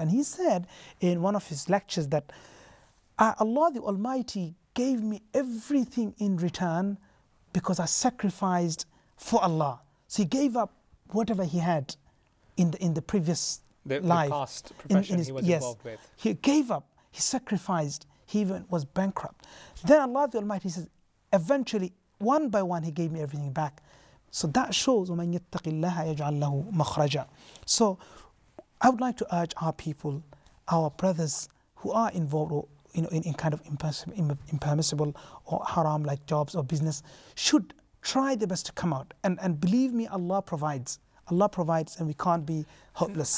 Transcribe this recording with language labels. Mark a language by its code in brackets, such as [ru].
[en] And he said in one of his lectures that Allah the Almighty gave me everything in return because I sacrificed for Allah. So he gave up whatever he had in the previous life. The past profession involved with. He gave up, he sacrificed, he even was bankrupt. Then Allah the Almighty says, eventually, one by one, he gave me everything back. So that shows [ar] وَمَنْ يَتَّقِ اللَّهَ يَجْعَلْ لَهُ مَخْرَجًا. [en] So I would like to urge our people, our brothers who are involved or, you know, in kind of impermissible or haram like jobs or business, should try their best to come out. And believe me, Allah provides. Allah provides, and we can't be hopeless.